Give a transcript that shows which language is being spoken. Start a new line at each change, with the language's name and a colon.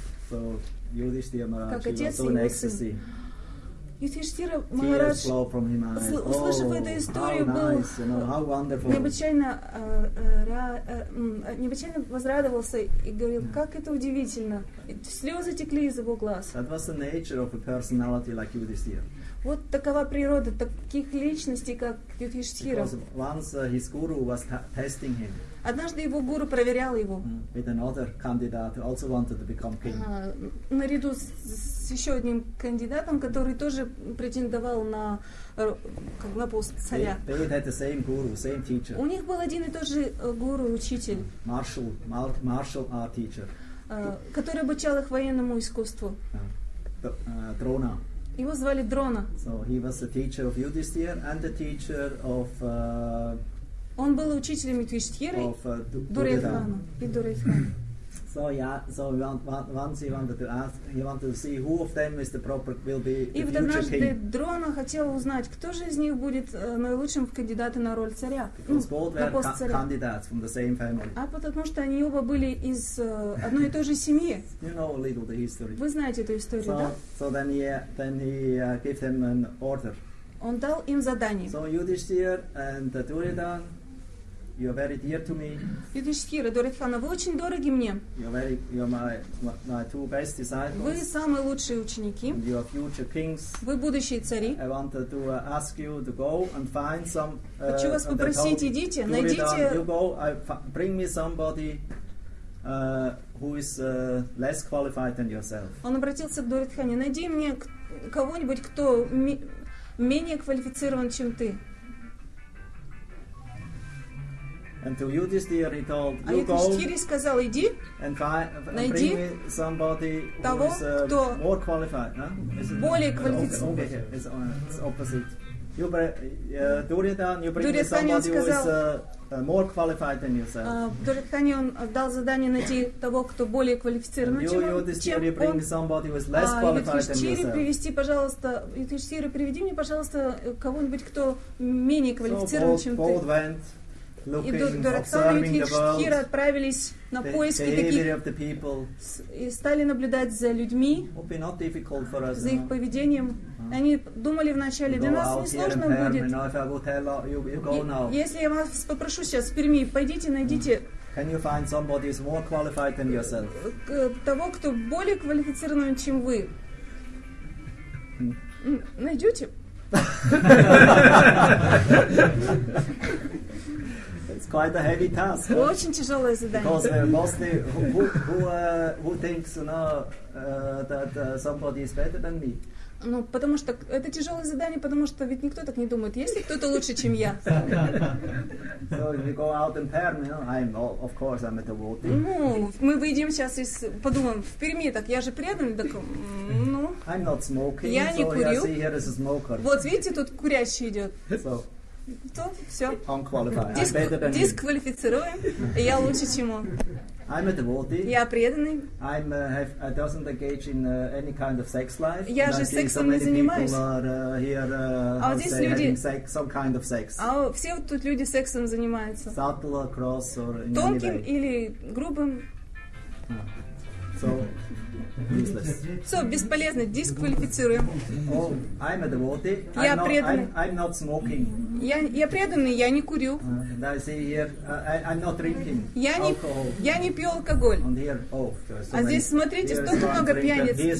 English: So, Yudhishthira Maharaj,
Russian: как отец
English: he was
Russian: и его сын. Юдхиштхира Махарадж, услышав эту историю, необычайно возрадовался и говорил, как это удивительно. Слезы текли из его глаз.
English: That was the nature of a personality like Yudhishthira.
Russian: Вот такова природа таких личностей, как Юдхиштхира.
English: Once his guru was testing him.
Russian: Однажды его гуру проверял его.
English: With another candidate who also wanted to become king.
Russian: Наряду с еще одним кандидатом, который тоже претендовал на пост царя.
English: They had the same guru, same teacher.
Russian: У них был один и тот же гуру, учитель.
English: Martial art teacher.
Russian: Который обучал их военному искусству. Дрона. Его звали Дрона.
English: So he was a teacher of Yudhishthira and the teacher of
Russian: он был учителем Юдхиштхиры, Дурьодхана и Дурьодхана.
English: So yeah, so once he wanted to ask, he wanted to see who of them is the proper will be the future king.
Russian: И однажды Дрона хотел узнать, кто же из них будет наилучшим кандидатом на роль царя.
English: Because both were candidates from the same family.
Russian: А потому что они оба были из одной и той же семьи.
English: You know a little the history.
Russian: Вы знаете эту историю, да?
English: So then he gave them an order.
Russian: Он дал им задание.
English: So Yudhishthira and Duryodhan, you are very dear to me.
Russian: Yudhishthira, Duryodhana, вы очень дороги мне.
English: You are my two best disciples.
Russian: Вы самые лучшие ученики.
English: And you are future kings.
Russian: Вы будущие цари.
English: I wanted to ask you to go and find some.
Russian: Хочу вас попросить, идите, Duryodhan, найдите.
English: You go, bring me somebody who is less qualified than yourself.
Russian: Он обратился к Duryodhane, найди мне кого-нибудь, кто менее квалифицирован, чем ты.
English: And to Yudhishthira he told,
Russian: а Юдхиштхире сказал, иди, найди
English: somebody
Russian: того,
English: who is,
Russian: кто
English: more qualified, huh?
Russian: Более квалифицирован.
English: It's opposite. Duryodhana, you bring Duryodhana somebody
Russian: сказал,
English: who is more qualified than yourself.
Russian: Duryodhana, он дал задание найти того, кто более квалифицирован, чем он.
English: And you, Yudhishthira, you bring somebody who is less qualified than yourself.
Russian: Юдхиштхира, приведи мне, пожалуйста, кого-нибудь, кто менее квалифицирован, чем ты.
English: So both went.
Russian: и Дхиштхира отправились на поиски таких и стали наблюдать за людьми, за их поведением. Они думали вначале, для нас несложно будет. Если я вас попрошу сейчас в Перми, пойдите, найдите того, кто более квалифицирован, чем вы. Найдете?
English: It's quite a heavy task.
Russian: Очень тяжелое задание.
English: Because mostly who thinks, you know, that somebody is better than me.
Russian: Ну, потому что это тяжелое задание, потому что ведь никто так не думает. Есть ли кто-то лучше, чем я?
English: So if you go out in Perm, you know, I'm all, of course, I'm a devotee.
Russian: Ну, мы выйдем сейчас и подумаем, в Перми, так я же преданный, так, ну.
English: I'm not smoking.
Russian: Я не курю.
English: So I see here is a smoker.
Russian: Вот, видите, тут курящий идет.
English: So.
Russian: То, все.
English: Unqualified.
Russian: Дисквалифицируем, я лучше, чем он.
English: I'm a devotee.
Russian: Я преданный.
English: I doesn't engage in any kind of sex life.
Russian: Я же сексом не занимаюсь.
English: Are, here,
Russian: здесь люди.
English: Sex, some kind of sex.
Russian: А все вот тут люди сексом занимаются.
English: Subtle, cross, or in
Russian: тонким
English: any way.
Russian: Или грубым. So, useless. So, бесполезно. Дисквалифицируем.
English: Oh, I'm a devotee.
Russian: Я
English: I'm
Russian: преданный.
English: Not, I'm not smoking.
Russian: Я преданный, я не курю.
English: And I see here, I'm not drinking alcohol.
Russian: Я не пью алкоголь.
English: And here, oh, so
Russian: а здесь, смотрите, столько много пьяниц.